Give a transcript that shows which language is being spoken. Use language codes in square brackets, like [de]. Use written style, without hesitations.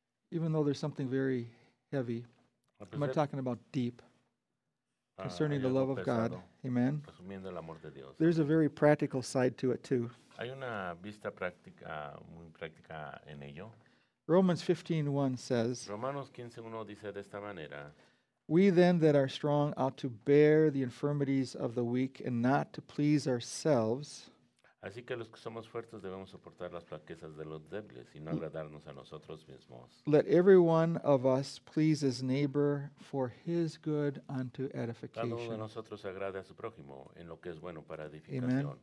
[en] Even though there's something very heavy, I'm not talking about deep, concerning the love of God, amen, [es] el amor de Dios. [en] There's a very practical side to it too. [es] Hay una vista práctica, muy práctica en ello. [en] Romans 15:1 says, [es] Romanos 15:1 dice de esta manera, [en] we then that are strong ought to bear the infirmities of the weak and not to please ourselves. [es] Así que los que somos fuertes debemos soportar las flaquezas de los débiles y no agradarnos a nosotros mismos. [en] Let every one of us please his neighbor for his good unto edification. [es] Cada uno de nosotros agrade a su prójimo en lo que es bueno para edificación.